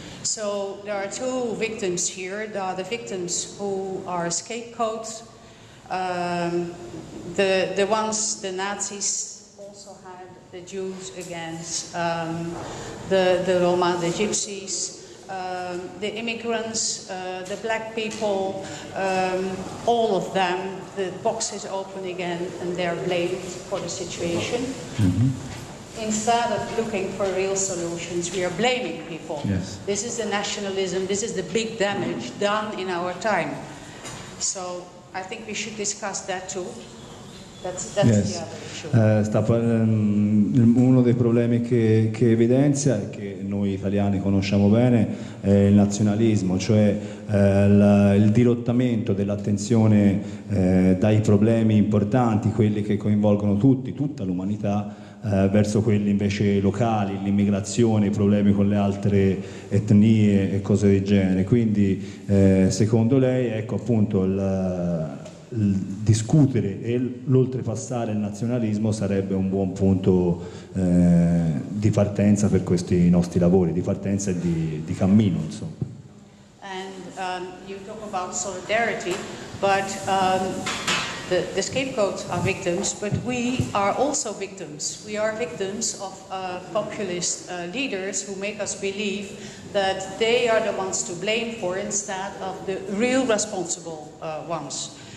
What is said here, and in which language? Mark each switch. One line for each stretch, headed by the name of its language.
English: So there are two victims here. There are the victims who are scapegoats, the ones the Nazis also had, the Jews against the Roma, the Gypsies, the immigrants, the black people, all of them, the box is open again and they're blamed for the situation. Mm-hmm. Instead of looking for real solutions, we are blaming people. Yes. This is the nationalism, this is the big damage done in our time. So I think we should discuss that too. Yes.
Italian: Uno dei problemi che evidenzia e che noi italiani conosciamo bene è il nazionalismo, cioè il dirottamento dell'attenzione dai problemi importanti, quelli che coinvolgono tutta l'umanità, verso quelli invece locali, l'immigrazione, i problemi con le altre etnie e cose del genere. Quindi secondo lei, ecco appunto, il discutere e l'oltrepassare il nazionalismo sarebbe un buon punto di partenza per questi nostri lavori, di partenza e di cammino, insomma.
English: And you talk about solidarity, but the scapegoats are victims, but we are also victims. We are victims of populist leaders who make us believe that they are the ones to blame for instead of the real responsible ones.